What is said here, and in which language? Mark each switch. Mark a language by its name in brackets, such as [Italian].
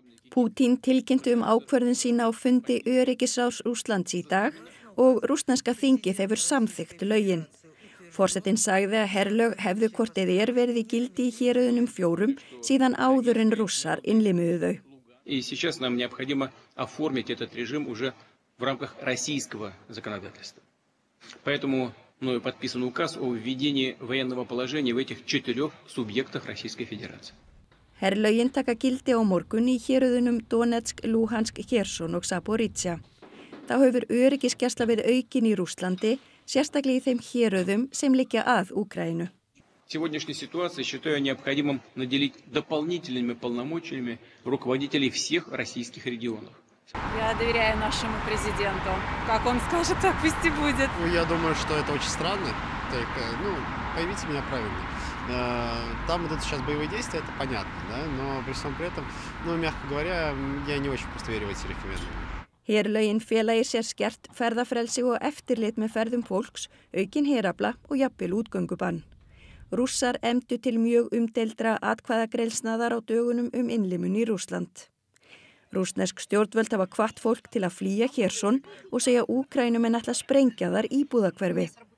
[Icelandic] Pútín tilkynnti ákvörðun sína á fundi öryggisráðs Rússlands í dag og rússneska þingið hefur samþykkt lögin. Forsetin sagði að herlög hefðu hvort eð verið í gildi í héruðunum fjórum síðan áður en Rússar innlimuðu þau. [Russian] И сейчас нам необходимо оформить этот режим уже в рамках российского законодательства. Поэтому мною подписан указ о введении военного положения в этих 4 субъектах Российской Федерации. [Icelandic] Herlögin taka gildi á morgun í héruðunum Donetsk, Luhansk, Kherson og Zaporizhia. Þá hefur öryggisgæsla verið aukin í Rússlandi, sérstaklega í þeim héruðum sem liggja að Úkraínu. [Russian] Сегодняшней ситуации считаю необходимым наделить дополнительными полномочиями руководителей всех российских регионов. Я доверяю нашему президенту. Как он скажет, так вести будет. Ну, я думаю, что это очень странно. Так, ну, поймите меня правильно. Там вот это сейчас боевые действия, это понятно, да? Но при всем при этом, ну, мягко говоря, я не очень просто верю в эти рекомендации. [Icelandic] Herlögin fela í sér skert ferðafrelsi og eftirlit með ferðum fólks, aukin herafla og jafnvel útgöngubann. Rússar efndu til mjög umdeildra atkvæðagreiðslnaðar á dögunum innlimun í Rússland. Rússnesk stjórnvöld hafa hvatt fólk til að flýja Kherson og segja Úkraínumenn ætla sprengja þar íbúðahverfi.